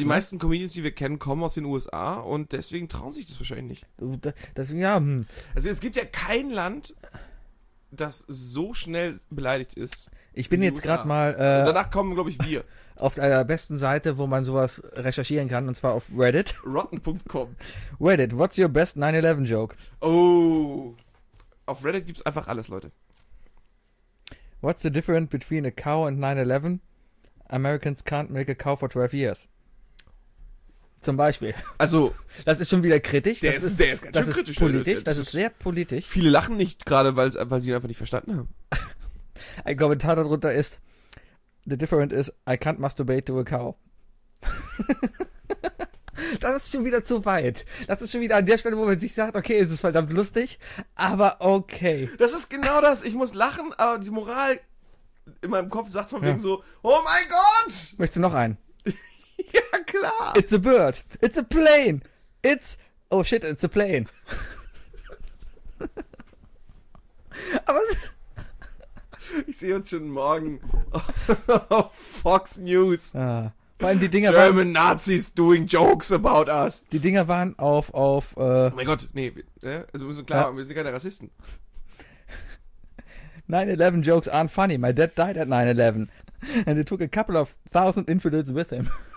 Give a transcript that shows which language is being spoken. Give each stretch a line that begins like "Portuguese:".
German: Aber die meisten Comedians, die wir kennen, kommen aus den USA und deswegen trauen sich das wahrscheinlich nicht. Also es gibt ja kein Land, das so schnell beleidigt ist. Ich bin jetzt gerade mal danach kommen, glaube ich, wir. Auf der besten Seite, wo man sowas recherchieren kann, und zwar auf Reddit. Rotten.com.
English: Reddit, what's your best 9-11-Joke?
German: Oh, auf Reddit gibt's einfach alles, Leute.
English: What's the difference between a cow and 9-11? Americans can't milk a cow for 12 years.
German: Zum Beispiel. Also, das ist schon wieder kritisch. Der ist ganz das schön ist kritisch. Politisch. Das ist sehr politisch. Viele lachen nicht gerade, weil sie ihn einfach nicht verstanden haben. Ein Kommentar darunter ist,
English: the difference is, I can't masturbate to a cow.
German: Das ist schon wieder zu weit. Das ist schon wieder an der Stelle, wo man sich sagt, okay, es ist verdammt lustig, aber okay. Das ist genau das. Ich muss lachen, aber die Moral in meinem Kopf sagt von wegen so, oh mein Gott! Möchtest du noch einen? Ja, klar.
English: It's a bird. It's a plane. Oh shit, it's a plane.
German: Aber ich sehe uns schon morgen auf Fox News. Ah. Vor allem die Dinger
English: German
German: waren,
English: Nazis doing jokes about us.
German: Die Dinger waren auf. Oh mein Gott, nee. Also wir müssen klar machen, wir sind keine Rassisten.
English: 9-11 jokes aren't funny. My dad died at 9-11. And he took a couple of thousand infidels with him.